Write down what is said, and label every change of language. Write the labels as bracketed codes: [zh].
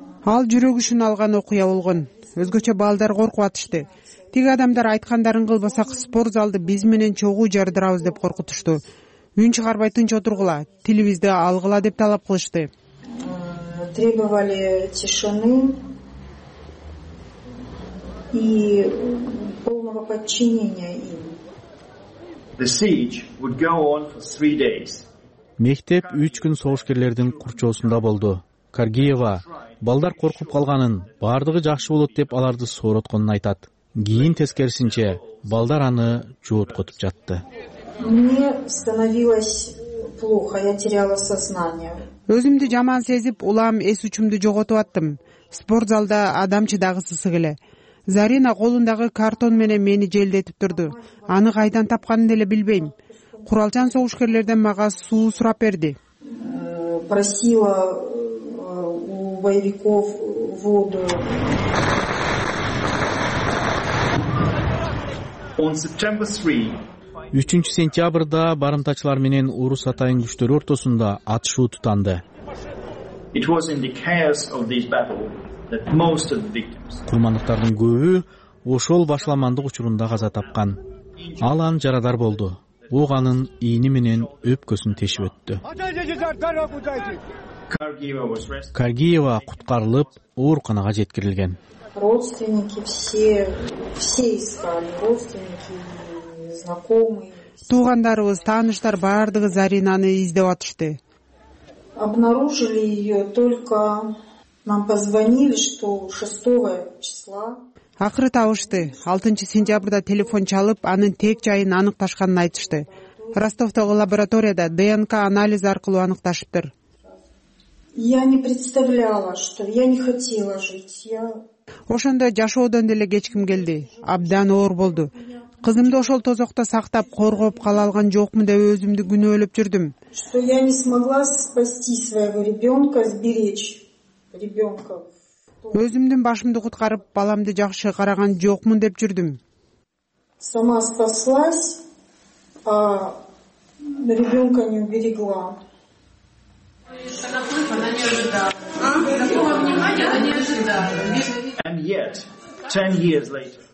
[ky] Ал жүрөк үшін алған окуя болгон. Өзгөчө балдар коркуп атышты. Тиги адамдар айткандарын кылбасак, спорт залды биз менен чогуу жардырабыз деп коркутушту. Үн чыгарбай тынч отургула, тилибизди алгыла деп талап кылышты. [ru] Требовали тишины, и полного подчинения им. [en] The siege would go on for 3 days. [ky] Мектеп 3 күн согушкерлердин курчоосунда болду. Каргиева балдар коркуп калганын, бардыгы жакшы болот деп аларды сооротконун айтат. Кийин тескерисинче балдар аны жооткотуп жатты. [ru] Мне становилось плохо, я теряла сознание. [ky] Өзүмдү жаман сезип, улам эс учумду жоготуп аттым. Спорт залда адам чыдагысы ысык эле. Зарина колундагы картон менен мени желдетип турду. Аны кайдан тапканын деле билбейм. Куралчан согушкерлерден мага суу сурап берди. [ru] Просила у боевиков воду. [en] On September [ky] 3. 3-сентябрда барымтачылар менен Орус атайын күчтөрү ортосунда атышуу тутанды. [en] It was in the chaos of this battle that most of the victims. [ky] Курмандыктардын көбү ошол башламандык учурунда каза тапкан. Алан жарадар болду. Ууганын ийни менен өпкөсүн тешип өттү. Каргиева куткарылып, ооруканага жеткирилген. Туугандарыбыз, тааныштар баардыгы Заринаны издеп атышты. [ru] Обнаружили её только нам позвонили, что 6-го числа. [ky] Акыры табышты. 6-сентябрда телефон чалып, анын тек жайын аныкташканын айтышты. Ростовтогу лабораторияда ДНК анализ аркылуу аныкташыптыр. [ru] Я не представляла, что я не хотела жить. Я [ky] Ошондо жашоодон деле кечким келди. Абдан оор болду. Кызымды ошол тозокто сактап, коргоп кала алган жокмун деп өзүмдү күнөөлөп жүрдүм. [ru] Что я не смогла спасти своего ребёнка, сберечь ребёнка. [ky] Өзүмдүн башымды куткарып, баламды жакшы караган жокмун деп жүрдүм. [ru] Сама спаслась. А ребёнка не уберегла. [en] And yet, 10 years later.